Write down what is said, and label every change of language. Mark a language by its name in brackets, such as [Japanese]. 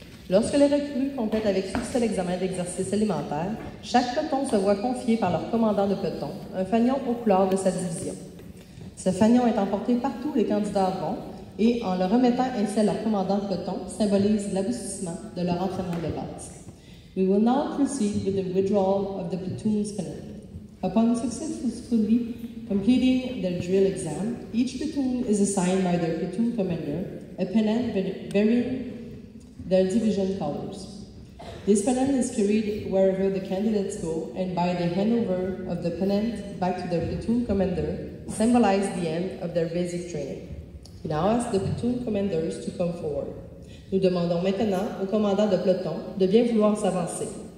[French] Lorsque les recrues complètent avec succès l'examen d'exercice élémentaire, chaque peloton se voit confier par leur commandant de peloton un fanion aux couleurs de sa division. Ce fanion est emporté partout où les candidats vont et, en le remettant ainsi à leur commandant de peloton, symbolise l'aboutissement de leur entraînement de base. [English] We will now proceed with the withdrawal of the platoon's Fennel. Upon successfully completing their drill exam, each platoon is assigned by their platoon commander a pennant bearing their division colors. This pennant is carried wherever the candidates go, and by the handover of the pennant back to their platoon commander, symbolize the end of their basic training. We now ask the platoon commanders to come forward. [French] Nous demandons maintenant au commandant de peloton de bien vouloir s'avancer.